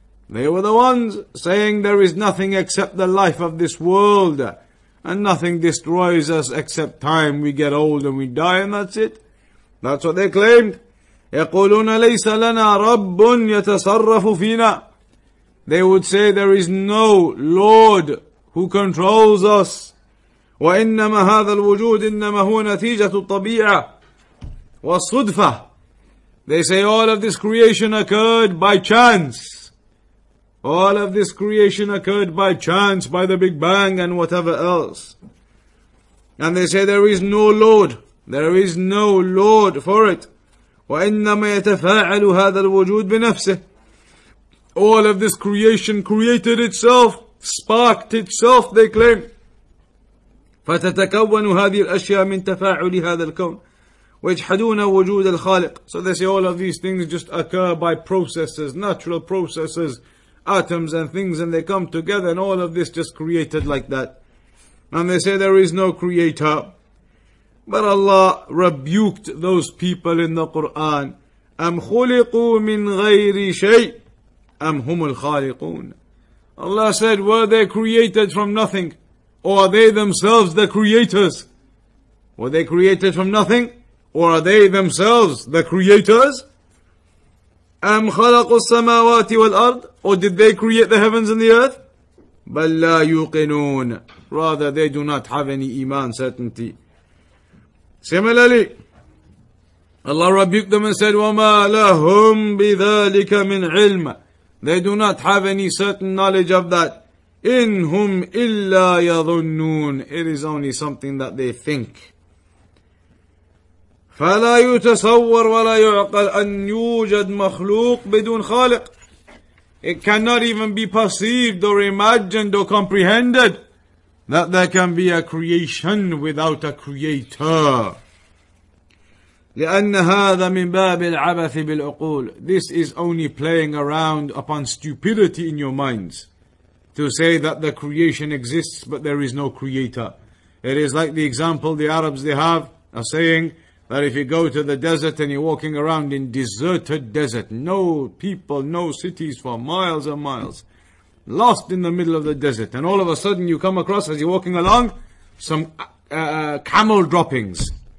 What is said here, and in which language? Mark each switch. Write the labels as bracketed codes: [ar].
[en] They were the ones saying there is nothing except the life of this world, and nothing destroys us except time. We get old and we die and that's it. That's what they claimed. [ar] يَقُولُونَ لَيْسَ لَنَا رَبٌّ يَتَصَرَّفُ فِينَا. [en] They would say there is no Lord who controls us. [ar] وإنما هذا الوجود إنما هو نتيجة الطبيعة والصدفة. [en] They say all of this creation occurred by chance. All of this creation occurred by chance, by the Big Bang and whatever else. And they say there is no Lord. There is no Lord for it. [ar] وإنما يتفاعل هذا الوجود بنفسه. [en] All of this creation created itself, sparked itself, they claim. [ar] فتتكون هذه الأشياء من تفاعل هذا الكون ويجحدون وجود الخالق. [en] So they say all of these things just occur by processes, natural processes, atoms and things, and they come together and all of this just created like that. And they say there is no creator. But Allah rebuked those people in the Quran. [ar] أم خلقوا من غير شيء أم هم الخالقون. [en] Allah said, were they created from nothing? Or are they themselves the creators? Were they created from nothing? Or are they themselves the creators? [ar] أَمْ خَلَقُوا السَّمَاوَاتِ وَالْأَرْضِ. [en] Or did they create the heavens and the earth? [ar] بَلْ لَا يُوقِنُونَ. [en] Rather, they do not have any iman, certainty. Similarly, Allah rebuked them and said, [ar] وَمَا لَهُمْ بِذَٰلِكَ مِنْ عِلْمَ. [en] They do not have any certain knowledge of that. [ar] إِنْ هُمْ إِلَّا يَظُنُّونَ. [en] It is only something that they think. [ar] فَلَا يُتَصَوَّرْ وَلَا يُعْقَلْ أَنْ يُوجَدْ مَخْلُوق بِدُونَ خَالِق. [en] It cannot even be perceived or imagined or comprehended that there can be a creation without a creator. [ar] لأن هذا من باب العبث بالعقول. [en] This is only playing around upon stupidity in your minds to say that the creation exists but there is no creator. It is like the example the Arabs they have of saying that if you go to the desert and you're walking around in deserted desert, no people, no cities for miles and miles, lost in the middle of the desert, and all of a sudden you come across as you're walking along some camel droppings.